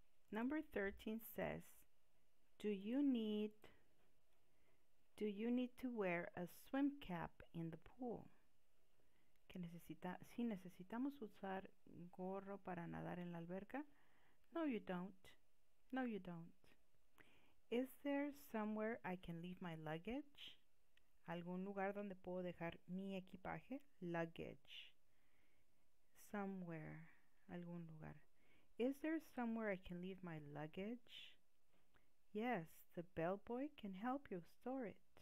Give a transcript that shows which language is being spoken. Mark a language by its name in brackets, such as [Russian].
[English] Number 13 says, do you need to wear a swim cap in the pool? [Spanish] Que necesita, si necesitamos usar gorro para nadar en la alberca. [English] No, you don't. No, you don't. Is there somewhere I can leave my luggage? [Spanish] ¿Algún lugar donde puedo dejar mi equipaje? [English] Luggage. Somewhere. [Spanish] Algún lugar. [English] Is there somewhere I can leave my luggage? Yes, the bellboy can help you store it.